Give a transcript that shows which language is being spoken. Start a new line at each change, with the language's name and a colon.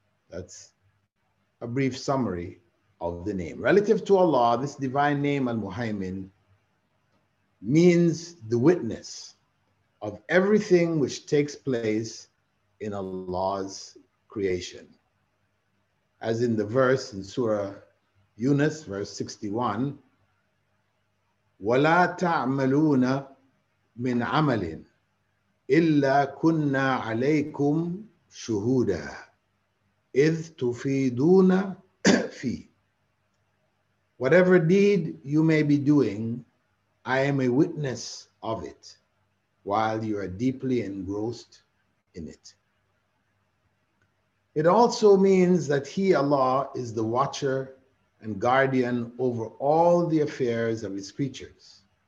English: That's a brief summary of the name. Relative to Allah, this divine name, Al-Muhaymin, means the witness of everything which takes place in Allah's creation.
Arabic: As in the verse in Surah Yunus, verse 61, وَلَا تَعْمَلُونَ مِنْ عَمَلٍ إِلَّا كُنَّا عَلَيْكُمْ شُهُودًا إِذْ تُفِيدُونَ فِي.
English: Whatever deed you may be doing, I am a witness of it while you are deeply engrossed in it. It also means that He, Allah, is the watcher and guardian over all the affairs of His creatures.